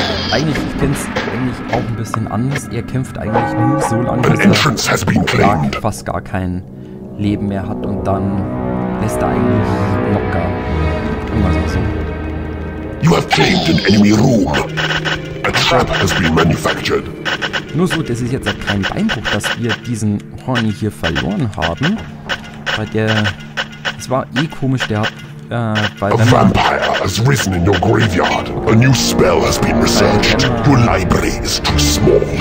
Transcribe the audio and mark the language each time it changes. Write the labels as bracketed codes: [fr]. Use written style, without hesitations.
[de] Er kämpft eigentlich nur so lange, bis er fast gar kein Leben mehr hat und dann lässt er eigentlich locker. Immer so. [en] You have claimed an enemy room. A trap has been manufactured. [de] Nur so, das ist jetzt kein Beinbruch, dass wir diesen Horny hier verloren haben. Weil der. Es war eh komisch, der hat. [en] A vampire has risen in your graveyard. A new spell has been researched. Your library is too small.